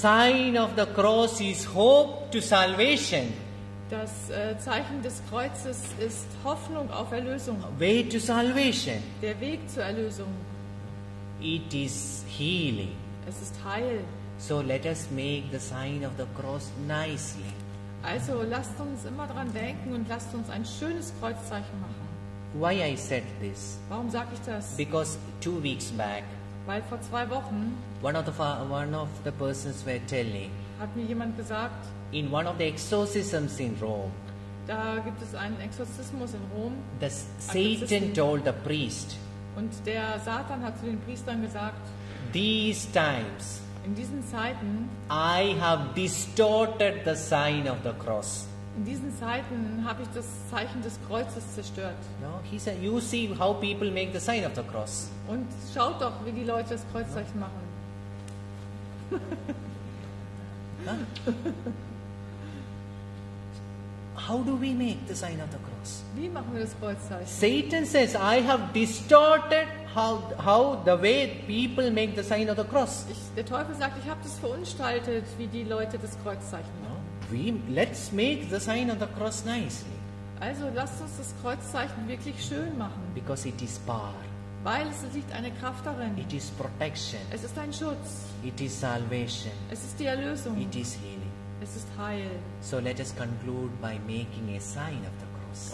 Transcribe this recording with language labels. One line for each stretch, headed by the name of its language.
English: Sign of the cross is hope to salvation.
German: Das Zeichen des Kreuzes ist Hoffnung auf Erlösung.
English: Way to salvation.
German: Der Weg zur Erlösung.
English: It is healing.
German: Es ist Heil.
English: So let us make the sign of the cross nicely.
German: Also lasst uns immer dran denken und lasst uns ein schönes Kreuzzeichen machen.
English: Why I said this?
German: Warum sage ich das?
English: Because 2 weeks back.
German: Weil vor 2 Wochen.
English: One of the persons were telling.
German: Hat mir jemand gesagt.
English: In one of the exorcisms in Rome.
German: Da gibt es einen Exorzismus in Rom.
English: The Satan told the priest.
German: Und der Satan hat zu den Priestern gesagt.
English: These times.
German: In diesen Zeiten,
English: I have distorted the sign of the cross.
German: In diesen Zeiten habe ich das Zeichen des Kreuzes zerstört.
English: No, he said, you see how people make the sign of the cross.
German: Und schaut doch, wie die Leute das Kreuzzeichen machen.
English: How do we make the sign of the cross?
German: Wie machen wir das Kreuzzeichen?
English: Satan says, I have distorted how the way people make the sign of the cross.
German: Der Teufel sagt, ich habe das verunstaltet, wie die Leute das Kreuzzeichen machen.
English: Let's make the sign of the cross nicely.
German: Also lasst uns das Kreuzzeichen wirklich schön machen.
English: Because it is power.
German: Weil es liegt eine Kraft darin.
English: It is protection.
German: Es ist ein Schutz.
English: It is salvation.
German: Es ist die Erlösung.
English: It is healing.
German: Es ist Heil.
English: So let us conclude by making a sign of the cross.